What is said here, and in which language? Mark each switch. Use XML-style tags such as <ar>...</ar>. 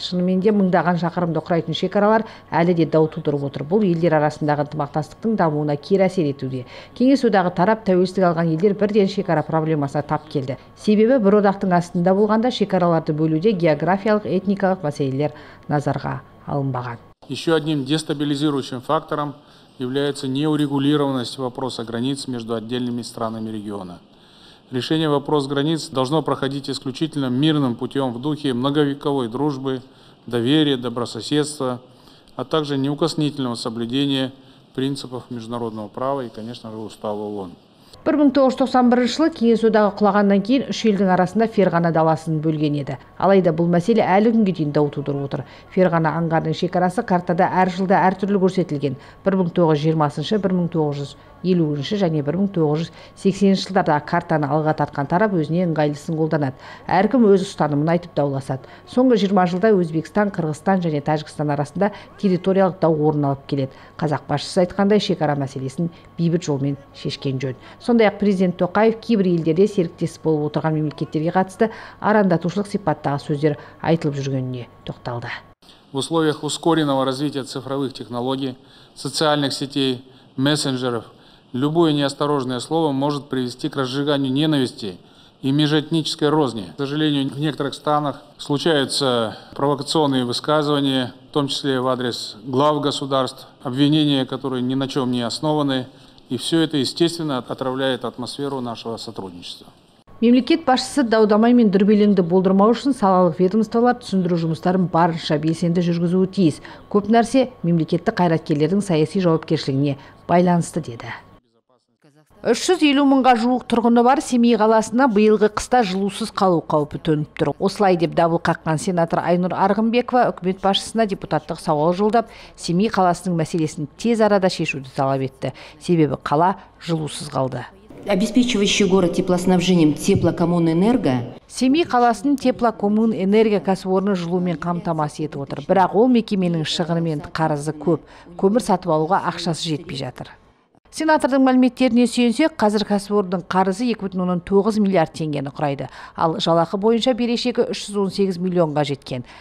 <kk>Шынымен де мыңдаған шақырымды құрайтын шекаралар әлі де дау тудырып отыр. Бұл елдер арасындағы ынтымақтастықтың дамуына кері әсер етуде. Кеңес одағы тарап тәуелсіздік алған елдер бірден шекара проблемасына тап келді. Себебі бір одақтың астында болғанда шекараларды бөлуде географиялық, этникалық мәселелер назарға алынбаған.</kk> <ru>Еще одним дестабилизирующим фактором является неурегулированность вопроса границ между отдельными странами региона. Решение вопроса границ должно проходить исключительно мирным путем в духе многовековой дружбы, доверия, добрососедства, а также неукоснительного соблюдения принципов международного права и, конечно же, устава ООН.</ru> <kk>1991 жылы кеңес одағы құлағаннан кейін үш елдің арасында Ферғана даласын бөлген еді. Алайда бұл мәселе әлі күнге дейін дау тудырып отыр. Ферғана аңғарының шекарасы картада әр жылда әртүрлі көрсетілген. 1920, 1950 және 1980 жылдарда картаны алға тартқан тарап өзіне ыңғайлысын қолданады. Әркім өз ұстанымын айтып дауласады. Соңғы 20 жылда Өзбекстан, Қырғызстан және Тәжікстан арасында территориялық дау орын алып келеді. Қазақ басшысы айтқандай шекара мәселесін бейбіт жолмен шешкен жөн. Сондай-ақ президент Тоқаев кейбір елдерде серіктес болып отырған мемлекеттерге қатысты арандатушылық сипаттағы сөздер айтылып жүргеніне тоқталды.</kk> <ru>В условиях ускоренного развития цифровых технологий, социальных сетей, мессенджеров любое неосторожное слово может привести к разжиганию ненависти и межэтнической розни. К сожалению, в некоторых странах случаются провокационные высказывания, в том числе в адрес глав государств, обвинения, которые ни на чем не основаны. И все это, естественно, отравляет атмосферу нашего сотрудничества.</ru> <kk>Мемлекет басшысы дау-дамай мен дүрбелеңді болдырмау үшін салалық ведомстволар түсіндіру жұмыстарын барынша белсенді жүргізуі тиіс. Көп нәрсе мемлекеттік қайраткерлердің саяси жауапкершілігіне байланысты деді. 350 мыңға жуық тұрғыны бар Семей қаласына биылғы қыста жылусыз қалу қаупі төніп тұр. Осылай деп дабыл қаққан сенатор Айнұр Арғынбекова үкімет басшысына депутаттық сауал жолдап, Семей қаласының мәселесін тез арада шешуді талап етті. Себебі қала жылусыз қалды.</kk> <ru>Обеспечивающий город теплоснабжением теплокоммунэнерго.</ru> <kk>Семей қаласын теплокоммунэнерго кәсіпорны жылумен қамтамасыз етіп отыр. Бірақ ол мекеменің шығыны мен қарызы көп. Көмір сатып алуға ақшасы жетпей жатыр. Сенатордың мәліметтеріне сүйенсек, қазір кәсіпорынның қарызы 2,9 миллиард теңгені құрайды. Ал жалақы бойынша берешегі 318 миллионға жеткен.</kk>